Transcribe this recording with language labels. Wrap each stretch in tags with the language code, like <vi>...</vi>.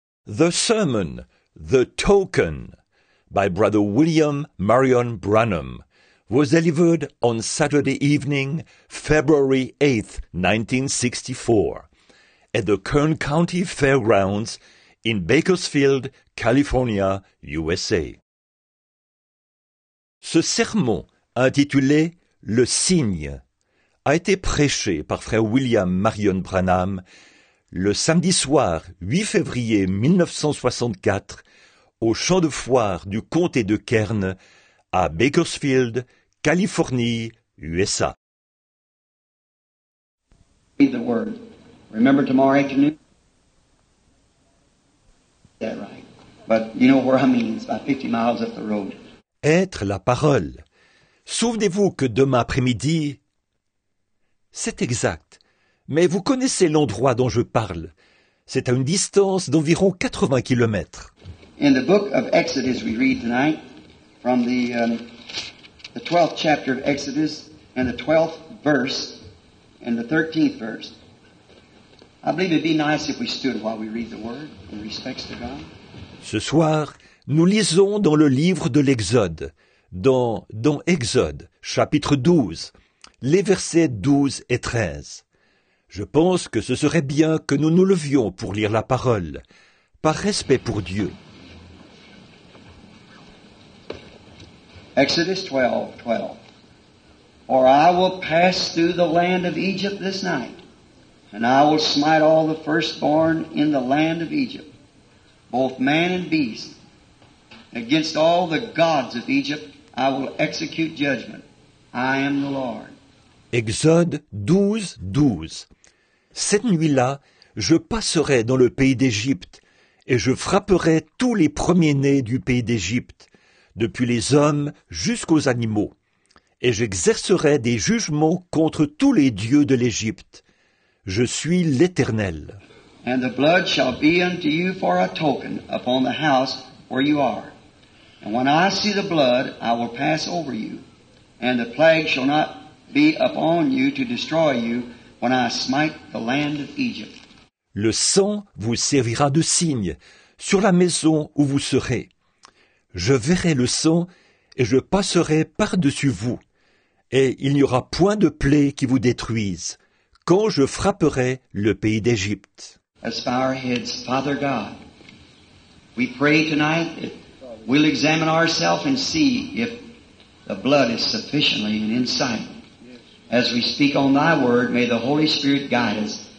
<en>The Sermon, The Token, by Brother William Marion Branham, was delivered on Saturday evening, February 8, 1964, at the Kern County Fairgrounds in Bakersfield, California, USA.</en> <fr>Ce sermon, intitulé « Le Signe », a été prêché par Frère William Marion Branham le samedi soir 8 février 1964 au champ de foire du comté de Kern à Bakersfield, Californie, USA.</fr> <en>Read the word. Remember tomorrow afternoon? That right. But you know where I mean, it's about 50 miles up the road.</en> <fr>Être la parole. Souvenez-vous que demain après-midi... C'est exact, mais vous connaissez l'endroit dont je parle. C'est à une distance d'environ 80 kilomètres.</fr> <en>In the book of Exodus we read tonight, from the 12th chapter of Exodus, and the 12th verse, and the 13th verse. I believe it'd be nice if we stood while we read the word, in respects to God.</en> <fr>Ce soir, nous lisons dans le livre de l'Exode, dans Exode, chapitre 12, les versets 12 et 13. Je pense que ce serait bien que nous nous levions pour lire la parole, par respect pour Dieu.</fr> <en>Exodus 12:12. For I will pass through the land of Egypt this night, and I will smite all the firstborn in the land of Egypt, both man and beast. Against all the gods of Egypt, I will execute judgment. I am the Lord.</en> <fr>Exode 12:12. Cette nuit-là, je passerai dans le pays d'Égypte et je frapperai tous les premiers-nés du pays d'Égypte, depuis les hommes jusqu'aux animaux, et j'exercerai des jugements contre tous les dieux de l'Égypte. Je suis l'Éternel.</fr> <en>And the blood shall be unto you for a token upon the house where you are. And when I see the blood, I will pass over you, and the plague shall not be upon you to destroy you when I smite the land of Egypt.</en> <fr>Le sang vous servira de signe sur la maison où vous serez. Je verrai le sang et je passerai par-dessus vous, et il n'y aura point de plaie qui vous détruise quand je frapperai le pays d'Égypte.</fr> <en>Let's bow our heads, Father God. We pray tonight that we'll examine ourselves and see if the blood is sufficiently and in sight. As we speak on thy word, may the Holy Spirit guide us.</en>